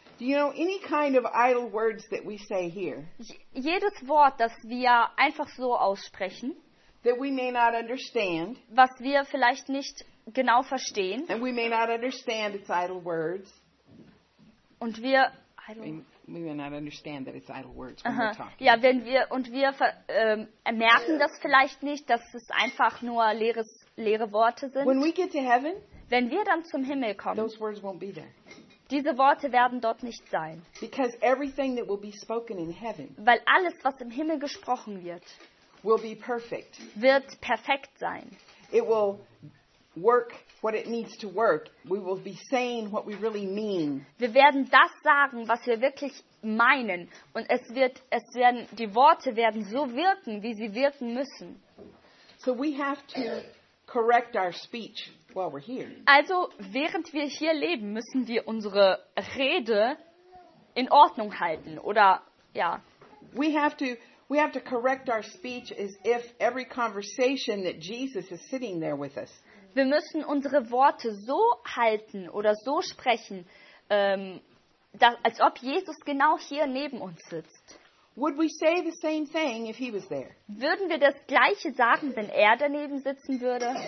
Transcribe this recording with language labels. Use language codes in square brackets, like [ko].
[en] Do you know any kind of idle words that we say here? [de] Jedes Wort, das wir einfach so aussprechen, [en] that we may not understand, [de] was wir vielleicht nicht genau verstehen, [en] and we may not understand its idle words. [de] Und wir [en] we may not understand that it's idle words when we're talking. [de] Ja, wenn wir und wir merken das vielleicht nicht, dass es einfach nur leere Worte sind. [en] When we get to heaven, [de] wenn wir dann zum Himmel kommen, [en] those words won't be there. [de] Diese Worte werden dort nicht sein. [en] Because everything that will be spoken in heaven, [de] weil alles, was im Himmel gesprochen wird, [en] will be perfect. [de] Wird perfekt sein. [en] It will work what it needs to work. We will be saying what we really mean. [de] Wir werden das sagen, was wir wirklich meinen, und es werden die Worte werden so wirken, wie sie wirken müssen. [en] So we have to correct our speech while we're here. [de] Also, während wir hier leben, müssen wir unsere Rede in Ordnung halten, oder ja. [en] We have to correct our speech as if every conversation that Jesus is sitting there with us. [de] Wir müssen unsere Worte so halten oder so sprechen, dass, als ob Jesus genau hier neben uns sitzt. [en] Would we say the same thing if he was there? [de] Würden wir das Gleiche sagen, wenn er daneben sitzen würde?